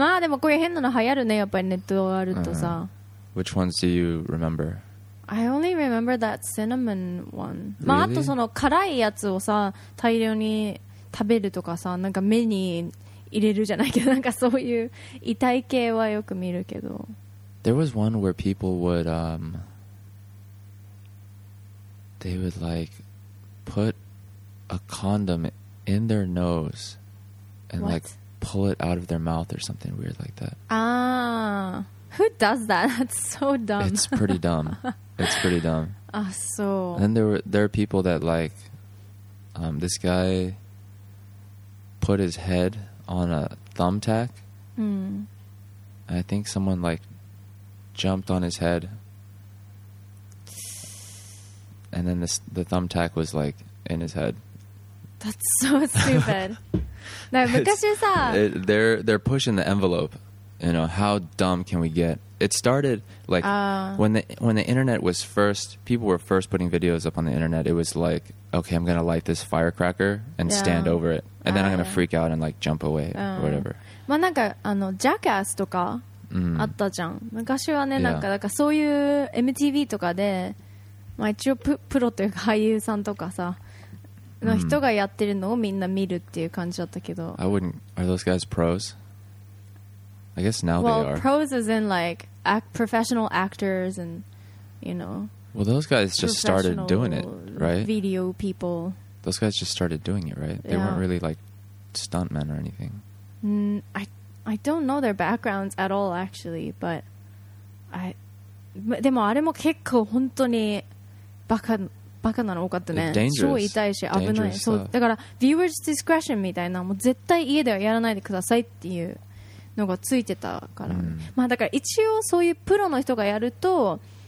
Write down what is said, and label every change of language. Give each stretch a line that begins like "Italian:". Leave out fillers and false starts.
Japanese: まあでもこういう変なの流行るね。やっぱりネットがあるとさ。 Uh-huh.
English: Which ones do you remember? I only remember that cinnamon one. Really?
Japanese: まあ、あとその辛いやつをさ、大量に食べるとかさ、なんか目に入れるじゃないけど、なんかそういう痛い系はよく見るけど。
English: There was one where people would, they would like put a condom in their nose and What? Like pull it out of their mouth or something weird like that. Ah. Who does that? That's so dumb. It's pretty dumb. It's pretty dumb. Ah, so. And then there are people that like, this guy put his head on a thumbtack. I think someone like jumped on his head. And then the thumbtack was like in his head. That's so stupid. No, because you saw. They're pushing the envelope. You know, how dumb can we get? It started, like, when the internet was first, people were first putting videos up on the internet, it was like, okay, I'm going to light this firecracker and stand over it. And then I'm going to freak out and, like, jump away or whatever.
Japanese: まあなんか、あの、Jackass とか、あったじゃん昔はね、
English: yeah.
Japanese: なんかそういう MTV とかで、まあ、一応 プロというか俳優さんとかさの人がやってるのをみんな見るっていう感じだったけど、
English: I wouldn't, are those guys pros? I guess now well, they are. Pros as in like professional actors and you know. Well, those guys just started doing it, right? Video people. Those guys just started doing it, right? They weren't really like stuntmen or anything. I don't know their backgrounds at all, actually. But I,
Japanese: でもあれも結構本当にバカなの多かったね。
English: Dangerous.
Japanese: 超痛いし危ない。そうだから
English: viewers discretion
Japanese: みたいなもう絶対家ではやらないでくださいっていうのがついてたから。Mm. まあだから一応そういうプロの人がやると。